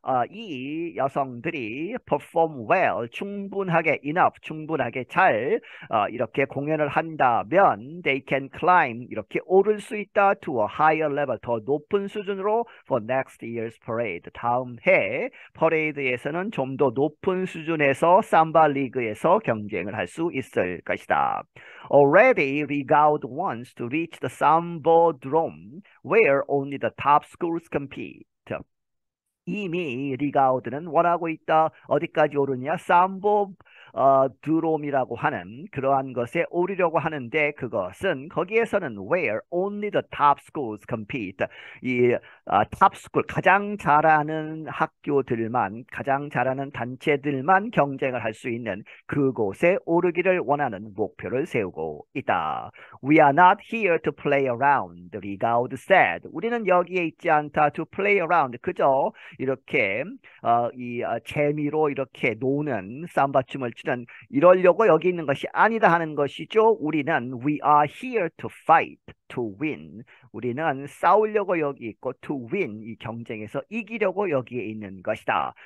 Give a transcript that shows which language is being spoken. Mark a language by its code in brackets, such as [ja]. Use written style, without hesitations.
[ko] 이 여성들이 [en] perform well, [ko] 충분하게 [en] enough, [ko] 충분하게 잘 이렇게 공연을 한다면 [en] they can climb, [ko] 이렇게 오를 수 있다 [en] to a higher level, [ko] 더 높은 수준으로 [en] for next year's parade. [ko] 다음 해 퍼레이드에서는 좀 더 높은 수준에서 삼바 리그에서 경쟁을 할 수 있을 것이다. [en] Already, Rigaud wants to reach the Sambodrome where only the top schools compete. [ko] 이미 리가우드는 원하고 있다. 어디까지 오르냐? 삼보 드롬이라고 하는 그러한 것에 오르려고 하는데 그것은 거기에서는 [en] where only the top schools compete. [ko] 이 top school 가장 잘하는 학교들만 가장 잘하는 단체들만 경쟁을 할수 있는 그곳에 오르기를 원하는 목표를 세우고 있다. [en] We are not here to play around, Rigaud said. [ko] 우리는 여기에 있지 않다 [en] to play around. [ko] 그저 이렇게 재미로 이렇게 노는 삼바춤을 추는 이러려고 여기 있는 것이 아니다 하는 것이죠. 우리는 [en] we are here to fight, to win. [ko] 우리는 싸우려고 여기 있고 [en] to win [ko] 이 경쟁에서 이기려고 여기에 있는 것이다.